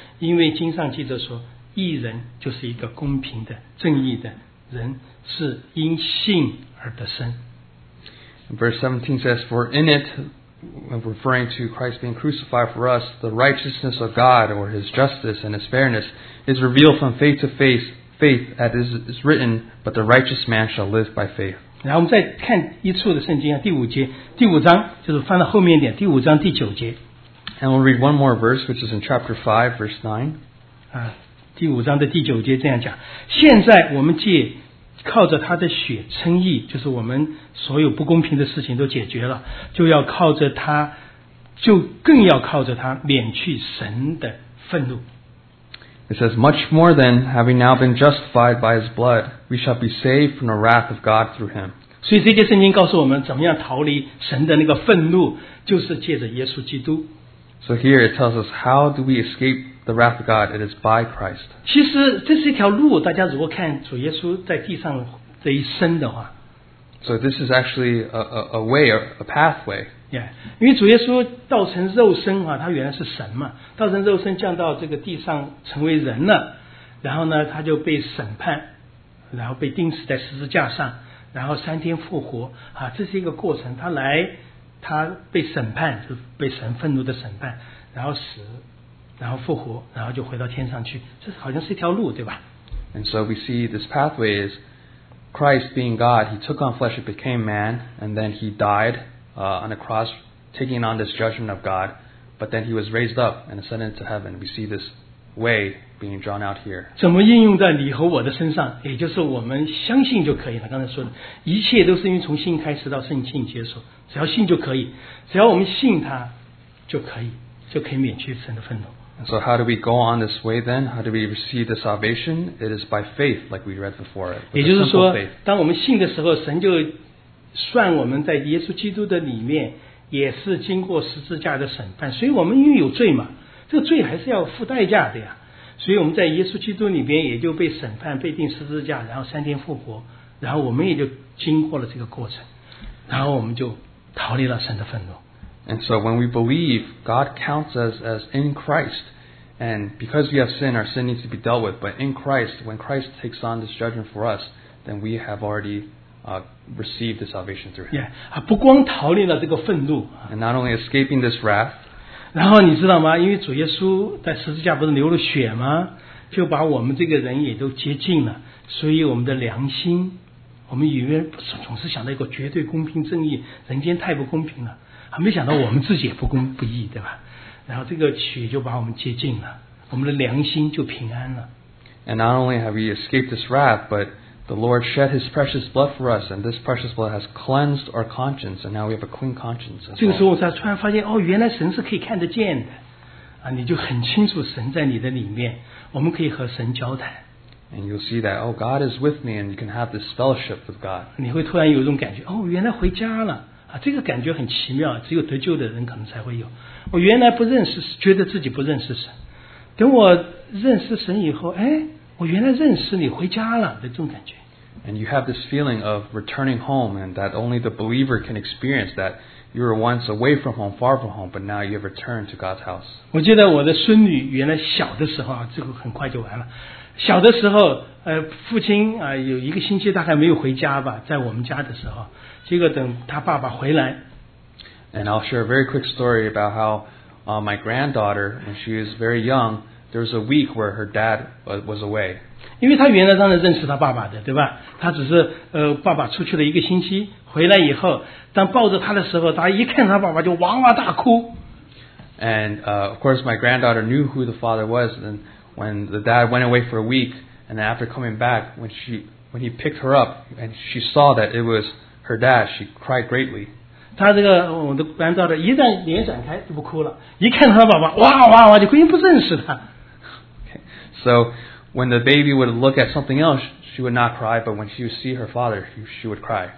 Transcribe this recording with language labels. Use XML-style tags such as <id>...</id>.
<zh>因为经上记着说，义人就是一个公平的正义的人，是因信而得生。</zh> <en>Verse 17 says, For in it, referring to Christ being crucified for us, the righteousness of God, or His justice and His fairness, is revealed from faith to faith, faith as it is written, but the righteous man shall live by faith.</en> <zh>然后我们再看一处的圣经啊，第五节，第五章，就是翻到后面一点，第五章第九节。</zh> <en>And we'll read one more verse, which is in chapter 5, verse 9.</en> <zh>第五章的第九节这样讲，现在我们借靠着他的血称义，就是我们所有不公平的事情都解决了，就要靠着他，就更要靠着他免去神的愤怒。</zh> <en>It says, much more than having now been justified by his blood, we shall be saved from the wrath of God through him.</en> <zh>所以这节圣经告诉我们怎么样逃离神的那个愤怒，就是借着耶稣基督。</zh> <en>So here it tells us, how do we escape the wrath of God? It is by Christ.</en> <zh>其实这是一条路，大家如果看主耶稣在地上这一生的话。</zh> <en>So this is actually a way, a pathway.</en> <zh>Yeah, 因为主耶稣道成肉身啊，他原来是神嘛，道成肉身降到这个地上成为人了，然后呢，他就被审判，然后被钉死在十字架上，然后三天复活啊，这是一个过程，他来。他被审判，就被神愤怒的审判，然后死，然后复活，然后就回到天上去。这好像是一条路，对吧</zh> <en>？And so we see this pathway is Christ being God. He took on flesh, and became man, and then he died on the cross, taking on this judgment of God. But then he was raised up and ascended to heaven. We see this way being drawn out here.</en> <zh>怎么应用在你和我的身上？也就是我们相信就可以了。刚才说的，一切都是因为从信开始到圣经结束。只要信就可以，只要我们信他，就可以免去神的愤怒。</zh> <en>And so how do we go on this way then? How do we receive the salvation? It is by faith, like we read before it.</en> <zh>也就是说，当我们信的时候，神就算我们在耶稣基督的里面，也是经过十字架的审判。所以我们因为有罪嘛，这个罪还是要付代价的呀。所以我们在耶稣基督里面也就被审判，被钉十字架，然后三天复活，然后我们也就经过了这个过程，然后我们就逃离了神的愤怒。</zh> <en>And so when we believe, God counts us as in Christ. And because we have sin, our sin needs to be dealt with. But in Christ, when Christ takes on this judgment for us, then we have already received the salvation through Him.</en> <zh>Yeah, 不光逃离了这个愤怒,</zh> <en>and not only escaping this wrath.</en> <zh>然后你知道吗? 因为主耶稣在十字架不是流了血吗?就把我们这个人也都洁净了。所以我们的良心,我们以为总是想到一个绝对公平正义,人间太不公平了。没想到我们自己也不公不义，对吧？然后这个血就把我们洁净了，我们的良心就平安了。</zh> <en>And not only have we escaped this wrath, but the Lord shed His precious blood for us, and this precious blood has cleansed our conscience, and now we have a clean conscience.</en> <zh>这个时候我才突然发现，哦，原来神是可以看得见的，啊，你就很清楚神在你的里面，我们可以和神交谈。</zh> <en>And you'll see that, oh, God is with me, and you can have this fellowship with God.</en> <zh>你会突然有一种感觉，哦，原来回家了。啊、这个感觉很奇妙，只有得救的人可能才会有。我原来不认识，觉得自己不认识神。等我认识神以后，哎，我原来认识你，回家了的这种感觉。</zh> <en>And you have this feeling of returning home, and that only the believer can experience that you were once away from home, far from home, but now you have returned to God's house.</en> <zh>我记得我的孙女原来小的时候啊，这个很快就完了。小的时候，父亲啊、有一个星期大概没有回家吧，在我们家的时候。结果等他爸爸回来</zh> <en>And I'll share a very quick story about how my granddaughter, when she was very young, there was a week where her dad was away.</en> <zh>因为他原来当然认识他爸爸的，对吧？他只是爸爸出去了一个星期，回来以后，当抱着他的时候，他一看他爸爸就哇哇大哭。</zh> <en>And of course, my granddaughter knew who the father was, and when the dad went away for a week, and after coming back, when he picked her up, and she saw that it was her dad, she cried greatly.</en> <zh>她这个我的granddaughter一旦脸展开就不哭了，一看她爸爸，哇哇哇就哭，因为不认识他。</zh> <en>Okay. So when the baby would look at something else, she would not cry, but when she would see her father, she would cry.</en>